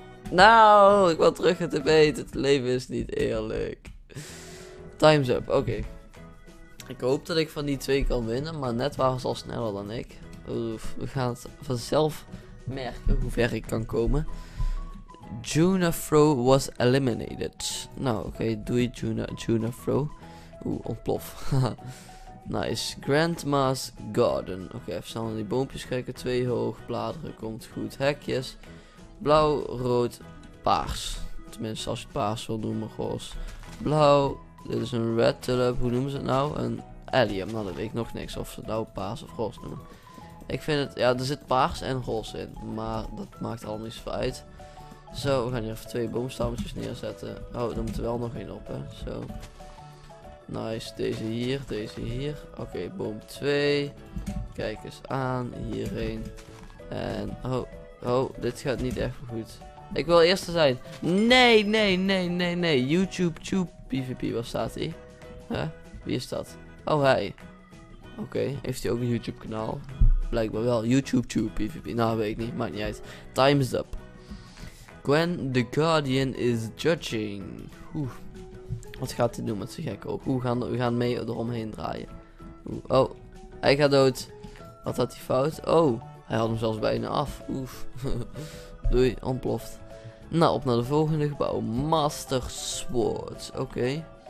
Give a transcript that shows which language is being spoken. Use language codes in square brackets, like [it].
[nl] Nou, ik wil terug het TP. Het leven is niet eerlijk. [en] Time's up. [nl] Oké. Ik hoop dat ik van die twee kan winnen. Maar net waren ze al sneller dan ik. Oef, we gaan het vanzelf merken hoe ver ik kan komen. [en] Junafro was eliminated. [nl] Nou, oké. Doei, Junafro. Oeh, ontplof. Nice. Grandma's Garden. Oké, even snel naar die boompjes kijken. 2 hoog. Bladeren komt goed. Hekjes. Blauw, rood, paars. Tenminste, als je paars wil noemen, goh. Blauw. Dit is een red tulip. Hoe noemen ze het nou? Een allium. Nou, dat weet ik nog niks. Of ze het nou paars of roze noemen. Ik vind het... Ja, er zit paars en roze in. Maar dat maakt allemaal niet zo uit. Zo, we gaan hier even 2 boomstammetjes neerzetten. Oh, er moet er wel nog één op, hè. Zo. Nice. Deze hier, deze hier. Oké, boom 2. Kijk eens aan. Hierheen. En... Oh, oh, dit gaat niet echt goed. Ik wil eerste zijn. Nee. YouTube, tube. PvP, waar staat hij? Huh? Wie is dat? Oh, hij. Oké, heeft hij ook een YouTube kanaal? Blijkbaar wel. YouTube PvP. Nou, weet ik niet. Maakt niet uit. [en] Time's up. Gwen the Guardian is judging. Oeh. [nl] Wat gaat hij doen met zijn gekke ogen? Oeh, we gaan mee eromheen draaien. Oeh. Oh, hij gaat dood. Wat had hij fout? Oh, hij had hem zelfs bijna af. Oeh. Doei, ontploft. Nou, op naar de volgende gebouw. Master Sword. Oké.